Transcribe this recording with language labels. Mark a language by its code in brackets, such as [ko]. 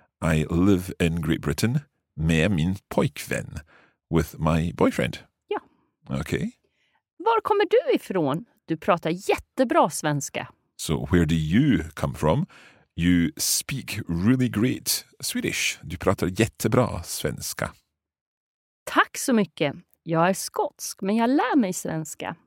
[en] I live in Great Britain [sv] med min pojkvän, [en] with my boyfriend. [sv] Ja. [en] Okay. [sv] Var kommer du ifrån? Du pratar jättebra svenska. [en] So where do you come from? You speak really great Swedish. [sv] Du pratar jättebra svenska. Tack så mycket. Jag är skotsk, men jag lär mig svenska.